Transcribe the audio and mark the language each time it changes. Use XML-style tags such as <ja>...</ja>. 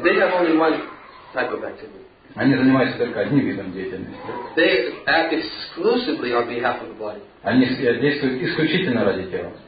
<en>They have only one type of activity.</en> <ru>Они занимаются только одним видом деятельности.</ru> <en>They act exclusively on behalf of the body.</en> <ru>Они действуют исключительно ради тела.</ru>